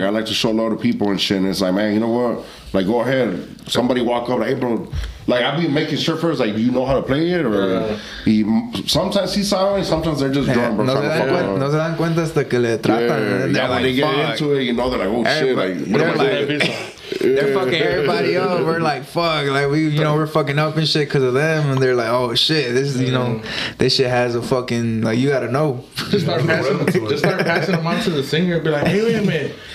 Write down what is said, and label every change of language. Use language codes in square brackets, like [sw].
[en] Like, I like to show a lot of people and shit. And it's like, man, you know what? Like, go ahead. Somebody walk up. Like, hey, bro. Like, I be making sure first, like, you know how to play it? Or sometimes he's silent, sometimes they're just drunk, bro. [es] No se dan cuenta hasta que le tratan. [en] When they get into it, you know, they're like, oh, shit. Like, what am I doing? They're fucking everybody up. We're like, fuck. Like, we, you know, we're fucking up and shit because of them. And they're like, oh, shit. This is, you know, this shit has a fucking, like, you gotta know. Just start passing them on to the singer and be like, hey, wait a minute.